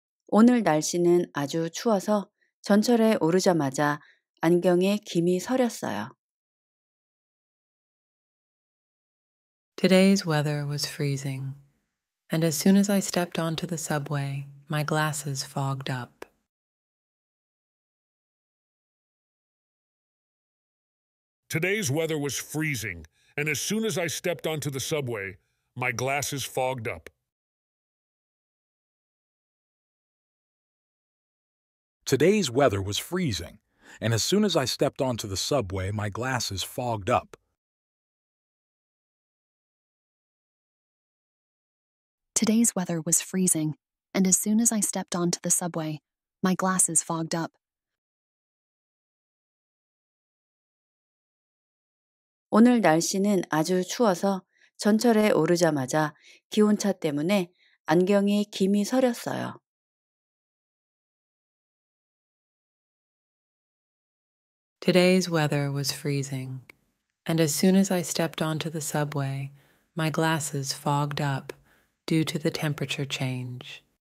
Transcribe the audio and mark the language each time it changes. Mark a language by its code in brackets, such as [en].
[ko] 오늘 날씨는 아주 추워서 전철에 오르자마자 안경에 김이 서렸어요. [en] Today's weather was freezing, and as soon as I stepped onto the subway, my glasses fogged up. Today's weather was freezing, and as soon as I stepped onto the subway, my glasses fogged up. Today's weather was freezing, and as soon as I stepped onto the subway, my glasses fogged up. Today's weather was freezing, and as soon as I stepped onto the subway, my glasses fogged up. [ko] 오늘 날씨는 아주 추워서 전철에 오르자마자 기온차 때문에 안경에 김이 서렸어요. [en] Today's weather was freezing, and as soon as I stepped onto the subway, my glasses fogged up. Due to the temperature change.